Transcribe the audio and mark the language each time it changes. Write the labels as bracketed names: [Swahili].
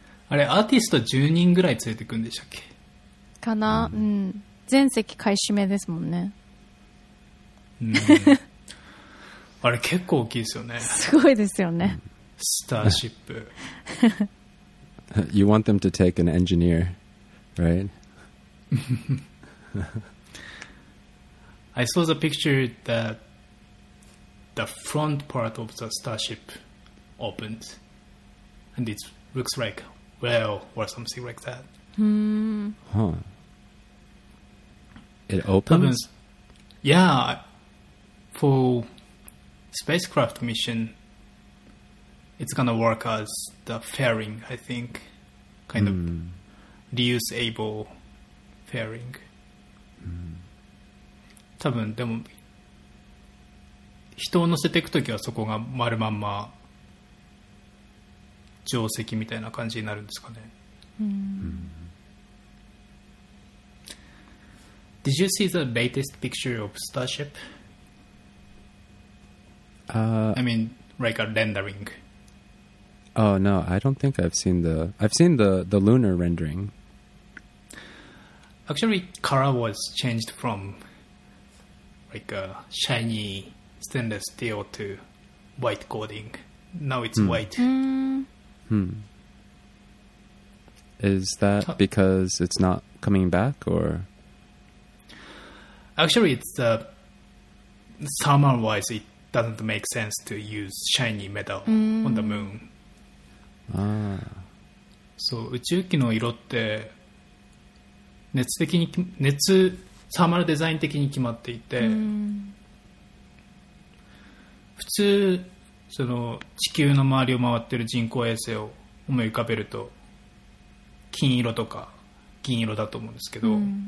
[Japanese] あれ、アーティスト10人ぐらい連れてくんでしたっけ? かな、うん。全席買い占めですもんね。うん。あれ結構大きいですよね。すごいですよね。スターシップ。 [English] You want them to take an engineer, right? I saw the picture that the front part of the starship opened and it looks like whale or something like that. Huh. It opens? Yeah, for spacecraft mission, it's gonna work as the fairing, I think. Kind of reusable fairing. [Japanese] 多分でも人を乗せていくときはそこが丸まんま定石みたいな感じになるんですかね。うん、 [English] Did you see the latest picture of Starship? I mean, like a rendering. Oh, no, I don't think I've seen the... I've seen the lunar rendering. Actually, color was changed from like a shiny stainless steel to white coating. Now it's white. Hmm. Is that because it's not coming back, or... Actually, it's thermal-wise, it doesn't make sense to use shiny metal on the moon. Ah. [Japanese] So, 宇宙機の色って熱的に熱サーマルデザイン的に決まっていて、普通その地球の周りを回ってる人工衛星を思い浮かべると金色とか銀色だと思うんですけど。